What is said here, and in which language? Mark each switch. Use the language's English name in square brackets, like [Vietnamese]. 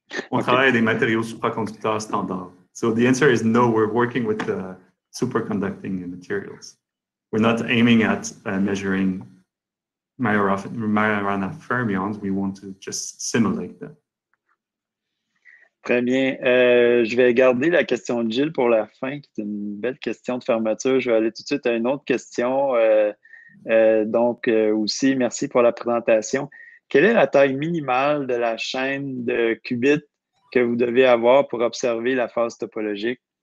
[French] On travaille avec des matériaux supraconducteurs standards. [English] So the answer is no, we're working with superconducting materials. We're not aiming at measuring Majorana fermions. We want to just simulate them. [French] Très bien. Je vais garder la question de Gilles pour la fin, qui est une belle question de fermeture. Je vais aller tout de suite à une autre question. Aussi, merci pour la présentation. Quelle est la taille minimale de la chaîne de qubits que vous devez avoir pour observer la phase topologique?